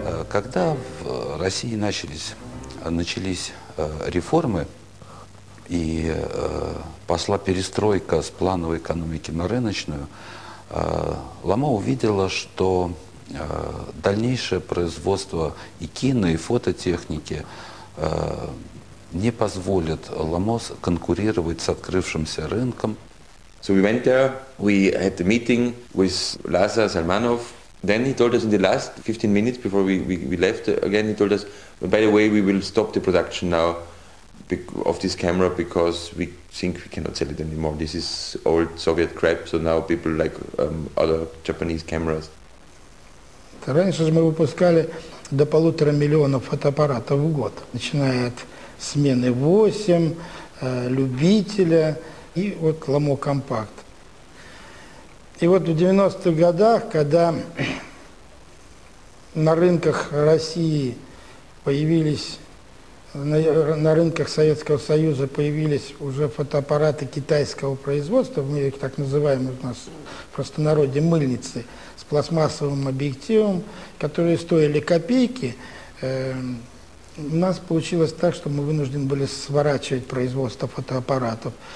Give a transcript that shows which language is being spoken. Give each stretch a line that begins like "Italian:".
Russian: Когда в России начались реформы и пошла перестройка с плановой экономики на рыночную, Lomo увидела, что дальнейшее производство и кино, и фототехники не позволит Lomo конкурировать с открывшимся рынком.
English: So we went there, we had the meeting with Lazar Salmanov. Then he told us in the last 15 minutes before we left again, he told us, by the way, we will stop the production now of this camera because we think we cannot sell it anymore. This is old Soviet crap, so now people like other Japanese cameras.
Russian: Раньше же мы выпускали до 1,5 миллионов фотоаппаратов в год, начиная от смены 8, любителя и вот Lomo Compact. И вот в 90-х годах, когда на рынках России появились, на рынках Советского Союза появились уже фотоаппараты китайского производства, мы их так называем у нас в простонародье мыльницы, пластмассовым объективом, которые стоили копейки, у нас получилось так, что мы вынуждены были сворачивать производство фотоаппаратов.